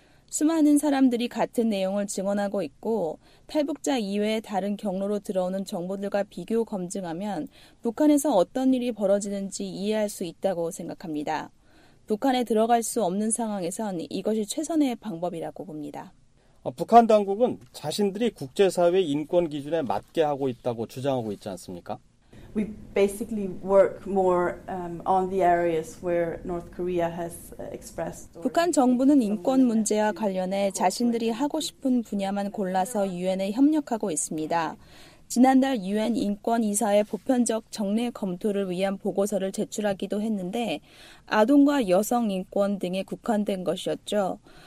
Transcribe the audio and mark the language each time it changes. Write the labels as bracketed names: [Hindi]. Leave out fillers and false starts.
[Korean] 수많은 사람들이 같은 내용을 증언하고 있고 탈북자 이외의 다른 경로로 들어오는 정보들과 비교 검증하면 북한에서 어떤 일이 벌어지는지 이해할 수 있다고 생각합니다. 북한에 들어갈 수 없는 상황에선 이것이 최선의 방법이라고 봅니다. 북한 당국은 자신들이 국제사회 인권 기준에 맞게 하고 있다고 주장하고 있지 않습니까? [English] We basically work more on the areas where North Korea has expressed. [Korean] 북한 정부는 인권 문제와 관련해 자신들이 하고 싶은 분야만 골라서 UN에 협력하고 있습니다. 지난달 UN 인권 이사회 보편적 정례 검토를 위한 보고서를 제출하기도 했는데 아동과 여성 인권 등에 국한된 것이었죠.